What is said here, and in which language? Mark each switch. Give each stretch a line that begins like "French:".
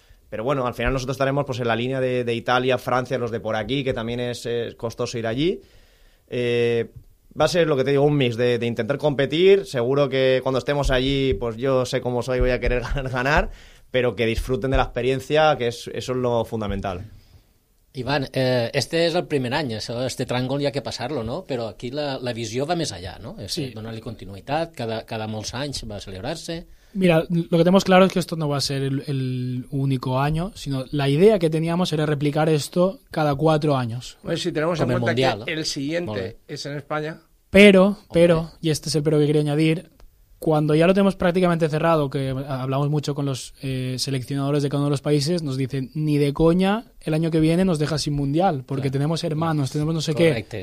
Spanish: Pero bueno, al final nosotros estaremos pues en la línea de Italia, Francia, los de por aquí, que también es costoso ir allí. Va a ser, lo que te digo, un mix de intentar competir. Seguro que cuando estemos allí, pues yo sé cómo soy, voy a querer ganar, pero que disfruten de la experiencia, que eso es lo fundamental.
Catalan: Iván,
Spanish: este es el primer
Catalan: any, este tràngol hi ha que passar-lo, no? Però aquí la visió va més allà, no? És sí. Donar-li continuïtat, cada molts anys va celebrar-se.
Spanish: Mira, lo que tenemos claro es que esto no va a ser el único año, sino la idea que teníamos era replicar esto cada 4 años. Pues si tenemos en cuenta mundial, que el siguiente es en España. Pero, y este es el pero que quería añadir, cuando ya lo tenemos prácticamente cerrado, que hablamos mucho con los seleccionadores de cada uno de los países, nos dicen, ni de coña el año que viene nos deja sin mundial, porque claro, tenemos hermanos, tenemos no sé qué.